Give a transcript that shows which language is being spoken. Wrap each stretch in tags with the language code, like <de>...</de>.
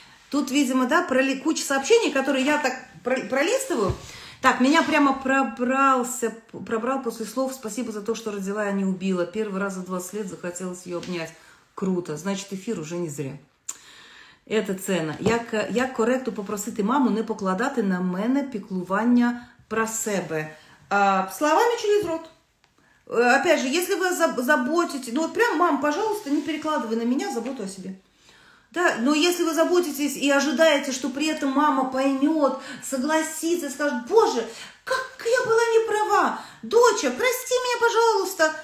<ru>Тут, видимо, да, куча сообщений, которые я так пролистываю. Так, меня прямо пробрал после слов «Спасибо за то, что родила, а не убила. Первый раз за 20 лет захотелось ее обнять. Круто. Значит, эфир уже не зря. Это ценно.</ru> <uk>Як коректно попросити маму не покладати на мене піклування про себе?»</uk> <ru>Словами через рот. Опять же, если вы заботитесь, ну вот прям, мам, пожалуйста, не перекладывай на меня заботу о себе. Да, но если вы заботитесь и ожидаете, что при этом мама поймет, согласится, скажет, боже, как я была не права, доча, прости меня, пожалуйста.</ru>